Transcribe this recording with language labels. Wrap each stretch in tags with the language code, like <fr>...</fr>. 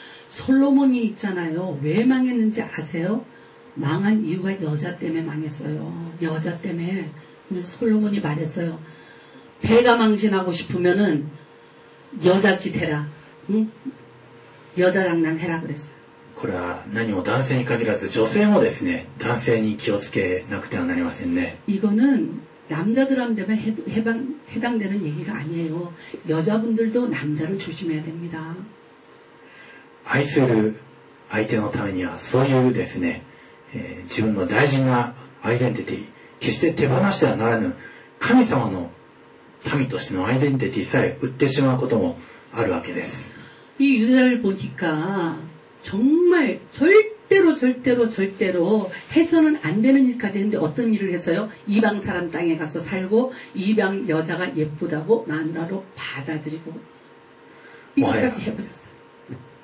<ko>솔로몬이있잖아요왜망했는지아세요망한이유가여자때문에망했어요여자때문에그래서솔로몬이말했어요배가망신하고싶으면은여자짓해라응여자장난해라그랬어요。</ko> <ja>これは何も男性に限らず女性もですね男性に気をつけなくてはなりませんね。</ja> <ko>이거는남자들한테만 해당되는얘기가아니에요여자분들도남자를조심해야됩니다。</ko> <ja>愛する相手のためにはそういうですね自分の大事なアイデンティティ決して手放してはならぬ神様の民としてのアイデンティティさえ売ってしまうこともあるわけです。</ja> <ko>이유다를보니까정말절대로절대로절대로해서는안되는일까지했는데어떤일을했어요이방사람땅에가서살고이방여자가예쁘다고마누라로받아들이고이것까지해버렸어요。</ko>